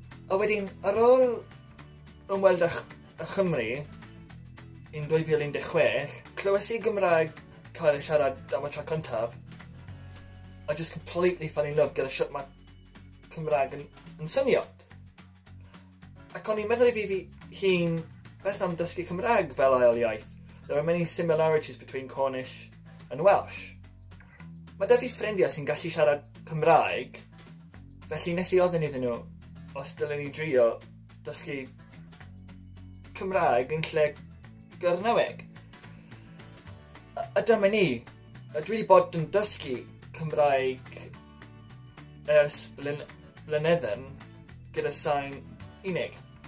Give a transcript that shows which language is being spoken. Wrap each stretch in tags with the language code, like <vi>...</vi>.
<cy>A wedyn, ar ôl ymweld â Chymru yn 2016, clywes i Gymraeg cael ei siarad am y tro cyntaf,</cy> <en>I just completely fell in love</en> <cy>gyda sut mae Cymraeg yn synio. Ac o'n i'n meddwl i fi hun beth am dysgu Cymraeg fel ail iaith.</cy> <en>There are many similarities between Cornish and Welsh.</en> <cy>Mae da fi ffrindiau sy'n gallu siarad Cymraeg, felly nes i ofyn iddyn nhw os dylen ni drio dysgu Cymraeg yn lle Gyrnewig. A dyma ni, a dwi wedi bod yn dysgu Cymraeg ers blynyddoedd gyda sain unig.</cy>